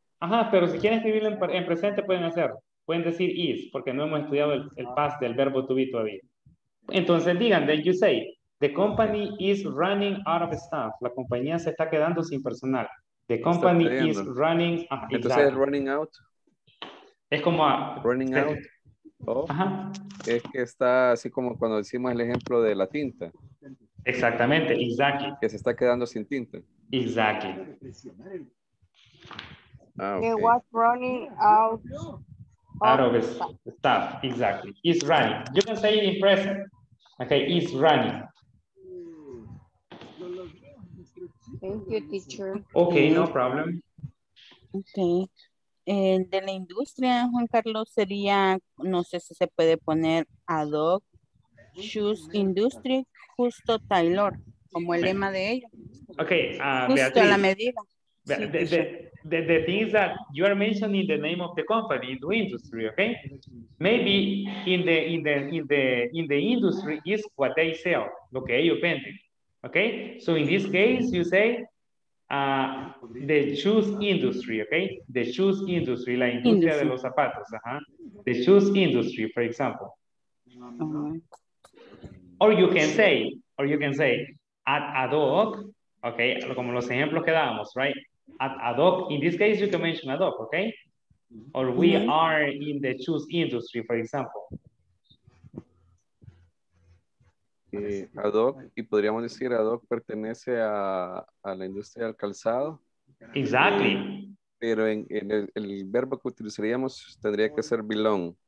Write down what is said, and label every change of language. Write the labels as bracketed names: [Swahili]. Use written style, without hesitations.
[Spanish] Ajá, pero si quieren escribirlo en presente, pueden hacerlo. Pueden decir is, porque no hemos estudiado el past del verbo to be todavía. Entonces digan, [English] then you say, the company is running out of staff. [Spanish] La compañía se está quedando sin personal. [English] The company is running out. Entonces exactly. Running out. [Spanish] Es como a... [English] Running out. Oh. [Spanish] Es que está así como cuando decimos el ejemplo de la tinta. Exactamente, exactly. Que se está quedando sin tinta. [English] Exactly. Okay. It was running out. Out of staff, exactly. It's running. You can say it in present. Okay, it's running. Thank you, teacher. Okay, no problem. Okay. [Spanish] De la industria, Juan Carlos, sería, no sé si se puede poner ad hoc, [English] shoes industry, [Spanish] justo tailor, como el lema de ellos. [English] Okay, [Spanish] justo a la medida. [English] The thing is that you are mentioning the name of the company in the industry, okay? Maybe in the industry is what they sell, [Spanish] lo que ellos venden, [English] okay? So in this case, you say the shoes industry, okay? The shoes industry, [Spanish] la industria [English] industry. [Spanish] De los zapatos, [English] uh-huh. The shoes industry, for example. Uh-huh. Or you can say at ad hoc, okay? [Spanish] Como los ejemplos que dábamos, [English] right? At ad hoc, in this case, you can mention ad hoc, okay? Or we are in the shoes industry, for example. [Spanish] Ad hoc, y podríamos decir ad hoc pertenece a la industria del calzado. [English] Exactly. [Spanish] Pero en el verbo que utilizaríamos tendría que ser belong.